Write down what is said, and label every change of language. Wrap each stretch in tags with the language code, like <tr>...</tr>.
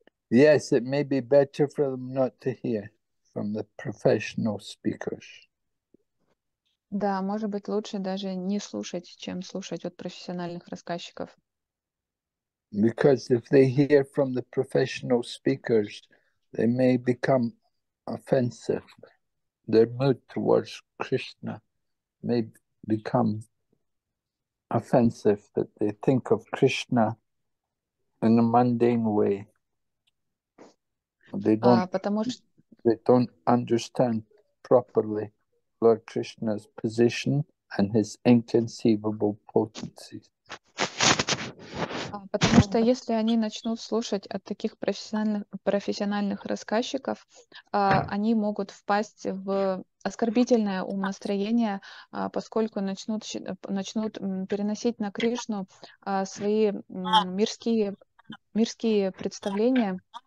<en>Yes, it may be better for them not to hear from the professional speakers.</en> <ru>Да, может быть, лучше даже не слушать, чем слушать от профессиональных рассказчиков.</ru> <en>Because if they hear from the professional speakers, they may become offensive. Their mood towards Krishna may become offensive, that they think of Krishna in a mundane way. They don't understand properly Lord Krishna's position and his inconceivable potencies.</en> <ru>Потому что если они начнут слушать от таких профессиональных рассказчиков, они могут впасть в оскорбительное умонастроение, поскольку начнут переносить на Кришну свои мирские представления,</ru>